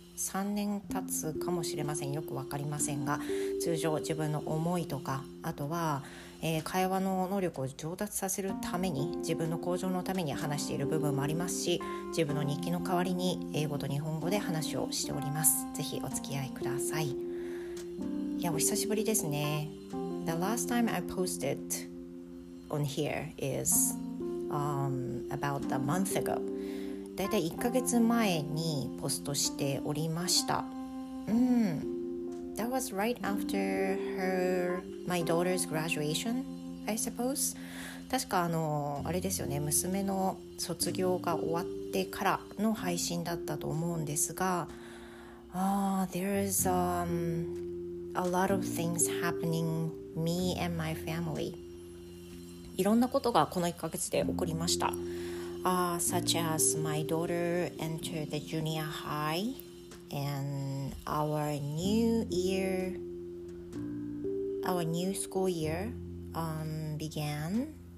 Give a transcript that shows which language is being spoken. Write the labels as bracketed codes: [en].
[ja] 3年経つかもしれません。よくわかりませんが、通常自分の思いとか、あとは、会話の能力を上達させるために、自分の向上のために話している部分もありますし、自分の日記の代わりに英語と日本語で話をしております。ぜひお付き合いください。いや、お久しぶりですね。 [en] The last time I posted on here is about a month ago. [ja] だいたい1ヶ月前にポストしておりました。 [en] That was right after my daughter's graduation, I suppose. [ja] 確かあれですよね、娘の卒業が終わってからの配信だったと思うんですが、 [en] there's a lot of things happening me and my family. [ja] いろんなことがこの1ヶ月で起こりました。 [en] Such as my daughter entered the junior high and our new school year began.